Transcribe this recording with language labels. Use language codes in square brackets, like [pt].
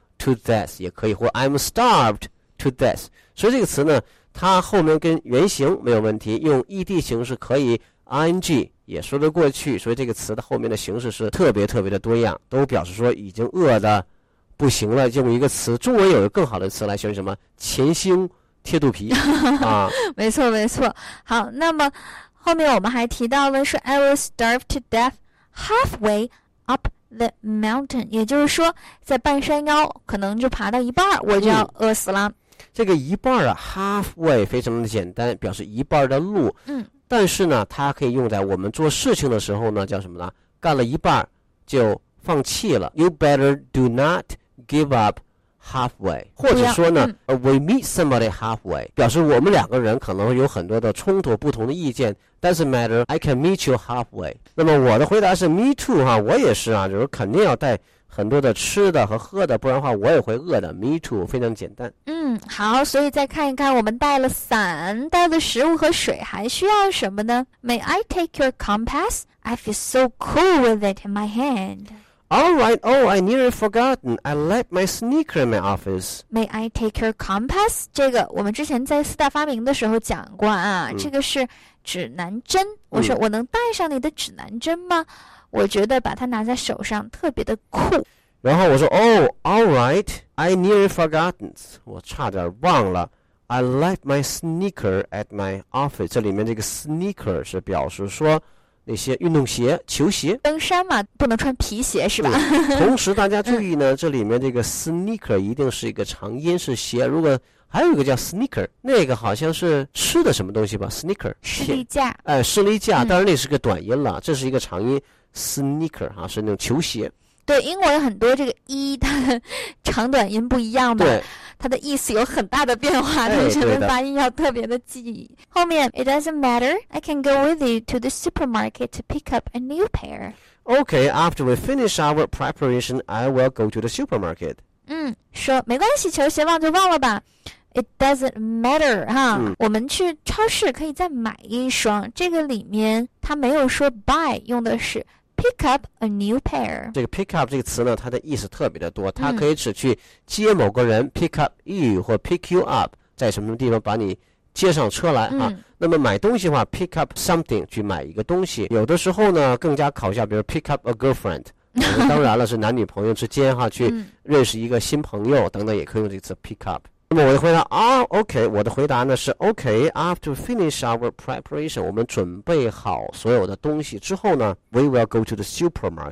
[en] To death 也可以，或 I'm starved to death。 [zh] 所以这个词呢，它后面跟原形没有问题，用 ed 形式可以 ，ing 也说得过去。所以这个词的后面的形式是特别特别的多样，都表示说已经饿的不行了。用一个词，中文有一个更好的词来形容什么？前胸贴肚皮啊！没错，没错。好，那么后面我们还提到了说 I will starve to death halfway up the mountain，也就是说在半山腰可能就爬到一半我就要饿死了。这个一半啊 halfway 非常的简单，表示一半的路。嗯，但是呢它可以用在我们做事情的时候呢，叫什么呢，干了一半就放弃了。 You better do not give up halfway，或者说呢、 we meet somebody halfway，表示我们两个人可能有很多的冲突，不同的意见。 [en] Doesn't matter， I can meet you halfway。 [zh] 那么我的回答是 me too 哈、啊，我也是啊，就是肯定要带很多的吃的和喝的，不然的话我也会饿的。 Me too，非常简单。嗯，好，所以再看一看我们带了伞，带了食物和水，还需要什么呢？ [en] May I take your compass? I feel so cool with it in my hand. Alright, oh, I nearly forgotten. I left my sneaker in my office. May I take your compass? [zh] 这个我们之前在四大发明的时候讲过啊、这个是指南针。我说我能带上你的指南针吗？我觉得把它拿在手上特别的酷。 [en] 然后我说 Oh, alright, I nearly forgotten. [zh] 我差点忘了。 [en] I left my sneaker at my office. [zh] 这里面这个 sneaker 是表示说那些运动鞋，球鞋。登山嘛，不能穿皮鞋是吧？同时大家注意呢，这里面这个 sneaker 一定是一个长音，是鞋。如果还有一个叫 sneaker， 那个好像是吃的什么东西吧？ [en] sneaker [zh] 士力架。哎，士力架，当然那是个短音了，这是一个长音。Sneaker 哈、是那种球鞋。对，英国有很多这个一，它的长短音不一样嘛，它的意思有很大的变化，同学们发音要特别的记忆。 [en] 后面 It doesn't matter, I can go with you to the supermarket to pick up a new pair. Okay, after we finish our preparation, I will go to the supermarket. [zh] 嗯，说没关系，球鞋忘就忘了吧。 It doesn't matter 哈、我们去超市可以再买一双。这个里面它没有说 buy， 用的是 pick up a new pair。这个 pick up 这个词呢，它的意思特别的多，它可以指去接某个人、 pick up you 或 pick you up，在什么什么地方把你接上车来哈、那么买东西的话 pick up something 去买一个东西，有的时候呢更加考下，比如 pick up a girlfriend，当然了是男女朋友之间哈，去认识一个新朋友等等，也可以用这个词 pick up。那么我的回答啊、，OK， 我的回答呢是 OK。 [en] After finish our preparation，我们准备好所有的东西之后呢，we will go to the supermarket。